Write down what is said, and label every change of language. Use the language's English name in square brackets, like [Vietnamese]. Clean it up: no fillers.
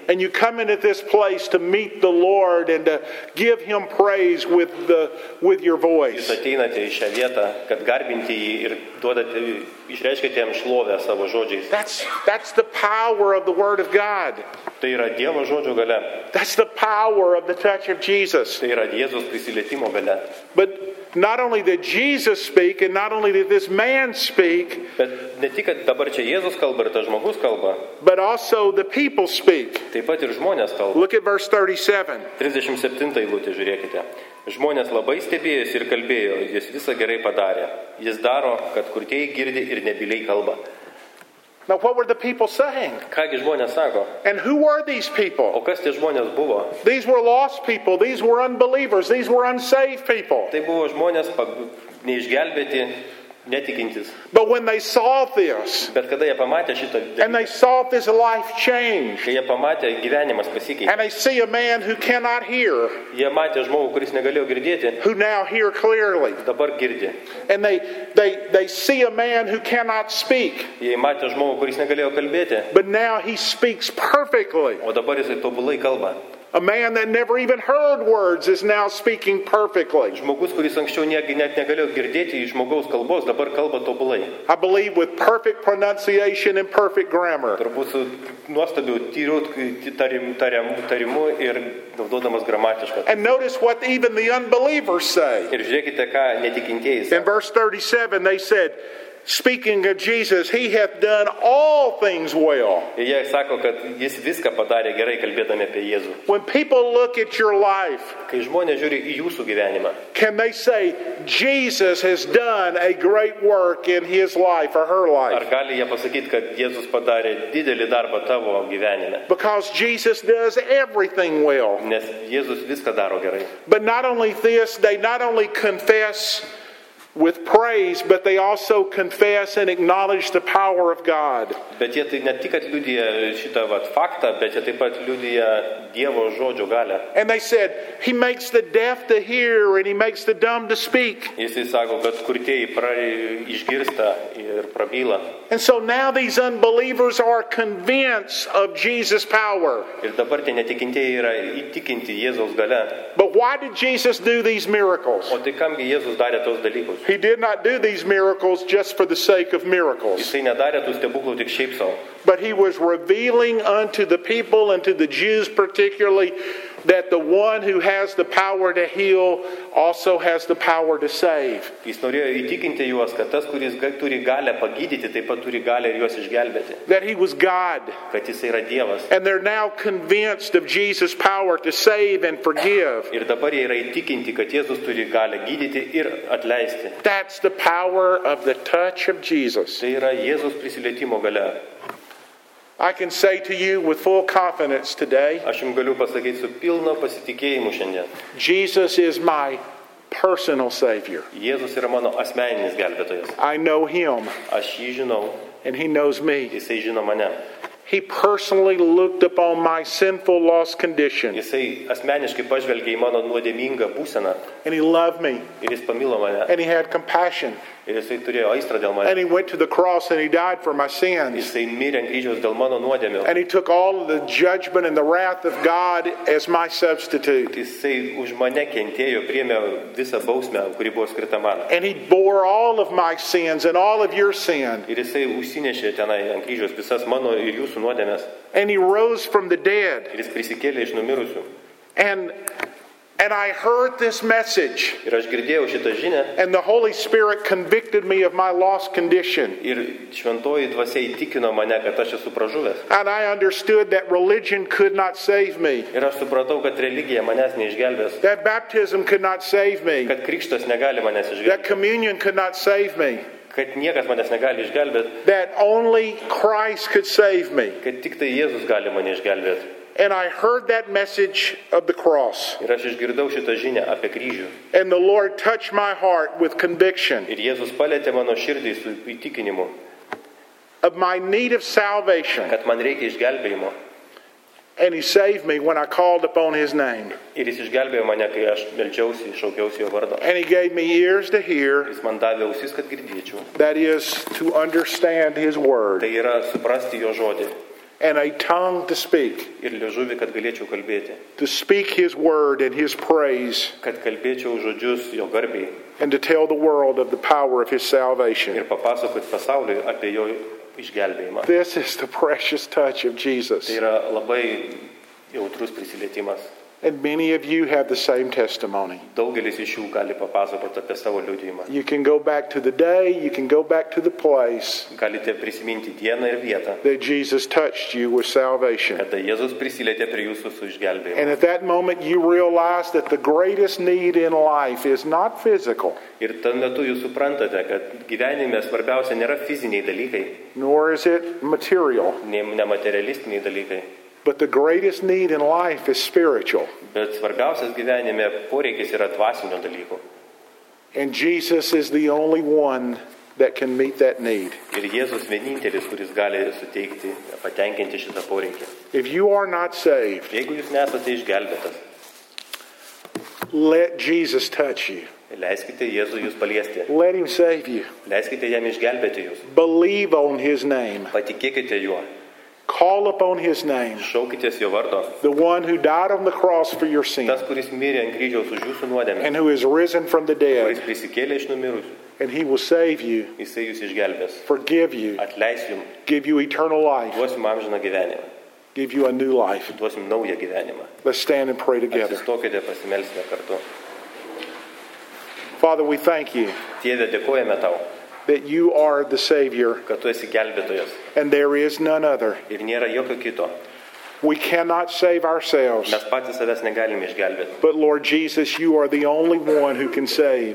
[English] And you come into this place to meet the Lord and to give him praise with your voice. [Lithuanian] Jūs ateinate į šią vietą, kad garbinti jį ir duodate, išreiškite jam šlovę savo žodžiais. [English] That's the power of the word of God. [Lithuanian] Tai yra Dievo žodžio galia. [English] That's the power of the touch of Jesus. [Lithuanian] Tai yra Jėzaus prisilietimo galia. [English] But not only did Jesus speak and not only did this man speak, [Lithuanian] bet ne tik kad dabar čia Jėzus kalba, ir tas žmogus kalba, [English] but also the people speak. [Lithuanian] Taip pat ir žmonės kalba. [English] Look at verse 37. [Lithuanian] 37 eilutė, žiūrėkite. Žmonės labai stebėjosi ir kalbėjo, jis visą gerai padarė. Jis daro, kad kurtieji girdi ir nebiliai kalba. [English] Now what were the people saying? [Lithuanian] Kągi žmonės sako? [English] And who were these people? [Lithuanian] O kas tie žmonės buvo? [English] These were lost people, these were unbelievers, these were unsaved people. [Lithuanian] Tai buvo žmonės neišgelbėti, netikintys. [English] But when they saw this, [Lithuanian] bet kada jie pamatė šitą dalyką, [English] and they saw this life change, [Lithuanian] kai jie pamatė gyvenimas pasikeitė, [English] and they see a man who cannot hear, [Lithuanian] jie matė žmogų, kuris negalėjo girdėti, [English] who now hear clearly, [Lithuanian] dabar girdi, [English] and they see a man who cannot speak, [Lithuanian] jie matė žmogų, kuris negalėjo kalbėti, [English] but now he speaks perfectly, [Lithuanian] o dabar jisai tobulai kalba. [English] A man that never even heard words is now speaking perfectly. [Lithuanian] Žmogus, kuris anksčiau net negalėjo girdėti iš žmogaus kalbos, dabar kalba tobulai. [English] I believe with perfect pronunciation and perfect grammar. [Lithuanian] Turbūt su nuostabiu tariamu ir naudodamas gramatišką. [English] And notice what even the unbelievers say. [Lithuanian] Ir žiūrėkite, ką netikintieji. [English] In verse 37, they said, speaking of Jesus, he hath done all things well. [Lithuanian] Jie sako, kad jis viską padarė gerai, kalbėdami apie Jėzų. [English] When people look at your life, [Lithuanian] kai žmonės žiūri į jūsų gyvenimą, [English] can they say Jesus has done a great work in his life or her life? [Lithuanian] Ar gali jie pasakyti, kad Jėzus padarė didelį darbą tavo gyvenime? [English] Because Jesus does everything well. [Lithuanian] Nes Jėzus viską daro gerai. [English] But not only this, they not only confess with praise, but they also confess and acknowledge the power of God. [Lithuanian] Bet jie tai ne tik atliudija šitą vat faktą, bet jie taip pat liudija Dievo žodžio galę. [English] And they said, he makes the deaf to hear and he makes the dumb to speak. [Lithuanian] Jis sako, kad kurtieji išgirsta ir prabyla. [English] And so now these unbelievers are convinced of Jesus' power. [Lithuanian] Ir dabar tie netikintieji yra įtikinti Jėzaus galę. [English] But why did Jesus do these miracles? [Lithuanian] O tai kamgi Jėzus darė tos dalykus? [English] He did not do these miracles just for the sake of miracles. [Lithuanian] Jis nedarė tų stebuklų tik šiaip sau. [English] But he was revealing unto the people and to the Jews particularly that the one who has the power to heal also has the power to save. [Lithuanian] Jis norėjo įtikinti juos, kad tas, kuris turi galę pagydyti, taip pat turi galę ir juos išgelbėti. [English] That he was God. [Lithuanian] Kad jis yra Dievas. [English] And they're now convinced of Jesus' power to save and forgive. [Lithuanian] Ir dabar jie yra įtikinti, kad Jėzus turi galę gydyti ir atleisti. [English] That's the power of the touch of Jesus. [Lithuanian] Tai yra Jėzus prisilietimo galia. [English] I can say to you with full confidence today, [Lithuanian] aš jums galiu pasakyti su pilno pasitikėjimu šiandien, [English] Jesus is my personal savior. [Lithuanian] Jėzus yra mano asmeninis gelbėtojas. [English] I know him. [Lithuanian] Aš jį žinau. [English] And he knows me. [Lithuanian] Jisai žino mane. [English] He personally looked upon my sinful lost condition. [Lithuanian] Jisai asmeniškai pažvelgė į mano nuodėmingą būseną. [English] And he loved me. [Lithuanian] Ir jis pamilo mane. [English] And he had compassion. [Lithuanian] Ir jisai turėjo aistrą dėl manęs. [English] And he went to the cross and he died for my sins. [Lithuanian] Jisai mirė ant kryžiaus dėl mano nuodėmių. [English] And he took all of the judgment and the wrath of God as my substitute. [Lithuanian] Jisai už mane kentėjo, priėmė visą bausmę, kuri buvo skirta man. [English] And he bore all of my sins and all of your sins. [Lithuanian] Ir jisai užsinešė tenai ant kryžiaus visas mano ir jūsų nuodėmes. [English] And he rose from the dead. [Lithuanian] Ir jis prisikėlė iš numirusių. [English] And I heard this message. [Lithuanian] Ir aš girdėjau šitą žinę. [English] And the Holy Spirit convicted me of my lost condition. [Lithuanian] Ir šventoji dvasia įtikino mane, kad aš esu pražuvęs. [English] And I understood that religion could not save me. [Lithuanian] Ir aš supratau, kad religija manęs neišgelbės. [English] That baptism could not save me. [Lithuanian] Kad krikštas negali manęs išgelbėti. [English] That communion could not save me. [Lithuanian] Kad niekas manęs negali išgelbėti. [English] That only Christ could save me. [Lithuanian] Kad tik tai Jėzus gali mane išgelbėti. [English] And I heard that message of the cross. [Lithuanian] Ir aš išgirdau šitą žinią apie kryžių. [English] And the Lord touched my heart with conviction. [Lithuanian] Ir Jėzus palietė mano širdį su įtikinimu. [English] Of my need of salvation. [Lithuanian] Kad man reikia išgelbėjimo. [English] And he saved me when I called upon his name. [Lithuanian] Ir jis išgelbėjo mane, kai aš meldžiausi, šaukiausi jo vardo. [English] And he gave me ears to hear. [Lithuanian] Jis man davė ausis, kad girdėčiau. [English] That is to understand his word. [Lithuanian] Tai yra suprasti jo žodį. [English] And a tongue to speak. [Lithuanian] Ir liežuvį, kad galėčiau kalbėti. [English] To speak his word and his praise. [Lithuanian] Kad kalbėčiau žodžius jo garbei. [English] And to tell the world of the power of his salvation. [Lithuanian] Ir papasakot pasauliui apie jo išgelbėjimą. [English] This is the precious touch of Jesus. [Lithuanian] Tai yra labai jautrus prisilietimas. [English] And many of you have the same testimony. [Lithuanian] Daugelis iš jų gali papasakoti apie savo liudijimą. [English] You can go back to the day, you can go back to the place. [Lithuanian] Galite prisiminti dieną ir vietą. [English] That Jesus touched you with salvation. [Lithuanian] Kada Jėzus prisilietė prie jūsų su išgelbėjimu. [English] And at that moment you realize that the greatest need in life is not physical. [Lithuanian] Ir tam metu jūs suprantate, kad gyvenime svarbiausia nėra fiziniai dalykai. [English] Nor is it material. [Lithuanian] Ne materialistiniai dalykai. [English] But the greatest need in life is spiritual. [Lithuanian] Bet svarbiausias gyvenime poreikis yra dvasinio dalyko. [English] And Jesus is the only one that can meet that need. [Lithuanian] Ir Jėzus vienintelis, kuris gali suteikti, patenkinti šitą poreikį. [English] If you are not saved, [Lithuanian] jeigu jūs nesate išgelbėtas, [English] let Jesus touch you. [Lithuanian] Leiskite Jėzų jūs paliesti. [English] Let him save you. [Lithuanian] Leiskite jam išgelbėti jūs. [English] Believe on his name. [Lithuanian] Patikėkite juo. [English] Call upon his name. [Lithuanian] Šaukitės jo vardo. [English] The one who died on the cross for your sins. [Lithuanian] Tas, kuris mirė ant kryžiaus už jūsų nuodėmes. [English] And who is risen from the dead. [Lithuanian] Kuris prisikėlė iš numirusių. [English] And he will save you. [Lithuanian] Jisai jūs išgelbės. [English] Forgive you. [Lithuanian] Atleis jums. [English] Give you eternal life. [Lithuanian] Duos jums amžiną gyvenimą. [English] Give you a new life. [Lithuanian] Duos jums naują gyvenimą. [English] Let's stand and pray together. [Lithuanian] Atsistokite, pasimelsime kartu. [English] Father, we thank you. [Lithuanian] Tėve, dėkojame tau. [English] that you are the Savior. [Lithuanian] Kad tu esi gelbėtojas. [English] And there is none other. [Lithuanian] Ir nėra jokio kito. [English] We cannot save ourselves. [Lithuanian] Mes patys savęs negalime išgelbėti. [English] But Lord Jesus, you are the only one who can save.